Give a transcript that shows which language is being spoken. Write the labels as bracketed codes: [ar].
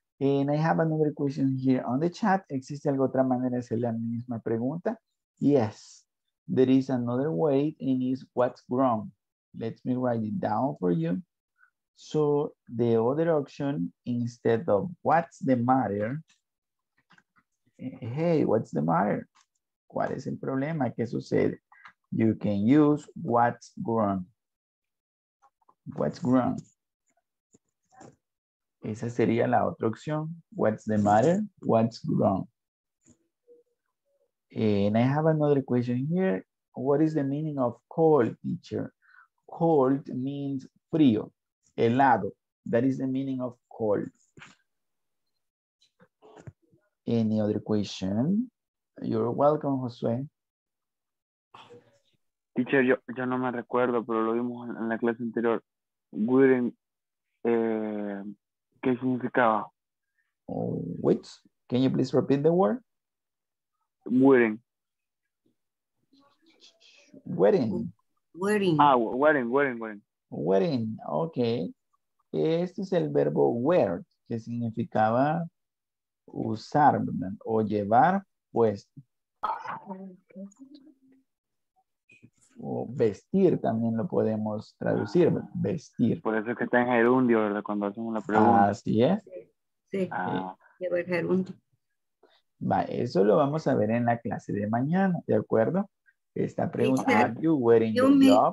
[en] And I have another question here on the chat. [es] ¿Existe alguna otra manera de hacer la misma pregunta? [en] Yes. There is another way, and it's what's wrong. Let me write it down for you. So the other option, instead of what's the matter, hey, what's the matter? [es] ¿Cuál es el problema? ¿Qué sucede? [en] You can use what's wrong. What's wrong? [es] Esa sería la otra opción. [en] What's the matter? What's wrong? And I have another question here. What is the meaning of cold, teacher? Cold means frío, helado. That is the meaning of cold. Any other question? You're welcome, Josué. [es] Teacher, yo no me recuerdo, pero lo vimos en la clase anterior. Wearing, ¿qué significaba? [en] Oh, wait, can you please repeat the word? Wearing. Wearing. Ok. [es] Este es el verbo wear, que significaba usar, ¿verdad? O llevar puesto. o vestir también lo podemos traducir, vestir. Por eso es que está en gerundio, ¿verdad? Cuando hacemos la pregunta. Así es. Sí, lleva el gerundio. Va, eso lo vamos a ver en la clase de mañana, ¿de acuerdo? Esta pregunta, [en] teacher, are you wearing your job?